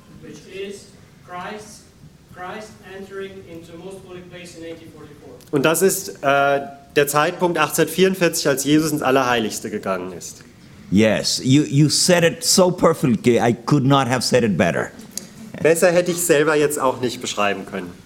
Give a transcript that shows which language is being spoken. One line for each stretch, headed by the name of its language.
English: Which is Christ entering into most holy place in 1844.
German: Und das ist der Zeitpunkt 1844, als Jesus ins Allerheiligste gegangen ist.
English: Yes, you said it so perfectly, I could not have said it better.
German: Besser hätte ich selber jetzt auch nicht beschreiben können.